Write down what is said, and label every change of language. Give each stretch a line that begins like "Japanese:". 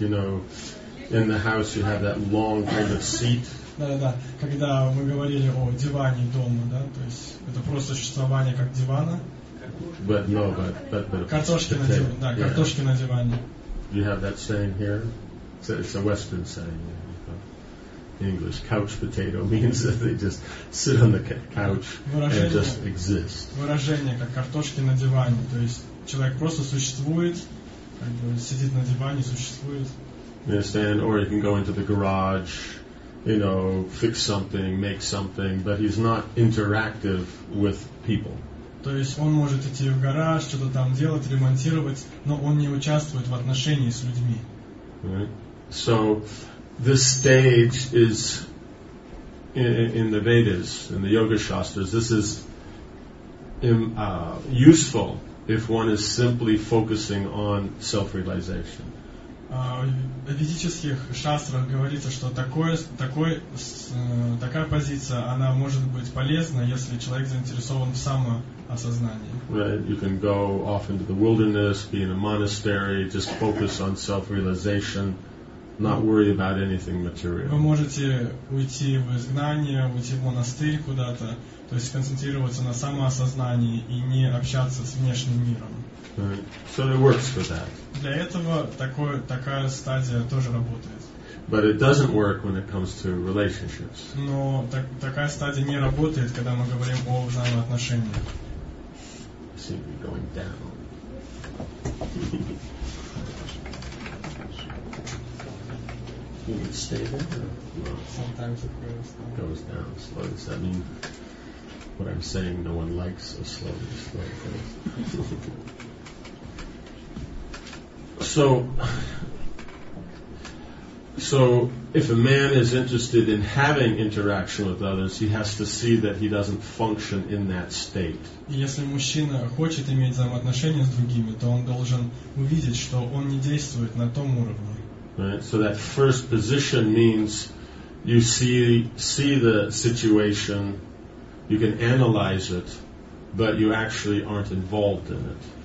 English: You know, in the house you have that long kind of seat.
Russian: Да-да-да. Когда мы говорили о диване дома, да, то есть это просто существование как дивана.
English: But no, but
Russian: картошки на диване. Да, yeah. Картошки на диване.
English: You have that saying here? It's a Western saying. You know. English couch potato means that they just sit on the couch and just exist.
Russian: Выражение как картошки на диване, то есть человек просто существует, как бы сидит на диване, существует.
English: You understand? Or you can go into the garage. You know, fix something, make something, but he's not interactive with people.
Russian: То есть он может идти в гараж, что-то там делать, ремонтировать, но он не участвует в отношении с людьми.
English: Right. So this stage is in the Vedas, in the Yoga Shastras, this is useful if one is simply focusing on self-realization.
Russian: В ведических шастрах говорится, что такая позиция, она может быть полезна, если человек заинтересован в самоосознании.
English: Right. You can go off into the wilderness, be in a monastery, just focus on self-realization, not worry about anything material.
Russian: Вы можете уйти в изгнание, уйти в монастырь куда-то, то есть концентрироваться на самоосознании и не общаться с внешним миром.
English: Right. So it works for that.
Russian: Для этого такая стадия тоже работает.
English: But it doesn't work when it comes to relationships.
Russian: Но такая стадия не работает, когда мы говорим о взаимоотношениях.
English: I seem to be going down. You can stay there. No. Sometimes it goes down. Goes down slowly. Does that mean what I'm saying? No one likes a slow phase. So if a man is interested in having interaction with others, he has to see that he doesn't function in that state.
Russian: Если мужчина хочет иметь взаимоотношения с другими, то он должен увидеть, что он не действует на том уровне.
English: Right? So that first position means you see the situation, you can analyze it, but you actually aren't involved in it.